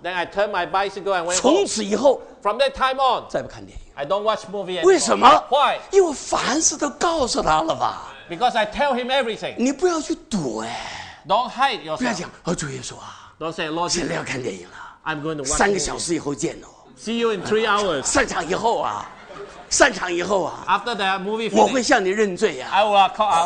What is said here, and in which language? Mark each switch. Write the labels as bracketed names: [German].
[English] Then I turn my bicycle and went home. [Chinese] 从此以后， [English] From that time on, [Chinese] 再不看电影。 [English] I don't watch movie anymore. [Chinese] 为什么？ [English] Why? [Chinese] 因为凡事都告诉他了吧。 [English] Because I tell him everything. [Chinese] 你不要去躲哎。 [English] Don't hide yourself. [Chinese] 不要讲，哦，主耶稣啊。 [English] Don't say, Lord. [Chinese] 现在要看电影了。 [English] I'm going to watch. [Chinese] 三个小时以后见哦。 [English] See you in 3 hours. [Chinese] 散场以后啊，散场以后啊 [English] ，After that movie finish, [Chinese] 我会向你认罪啊 [English] I will call,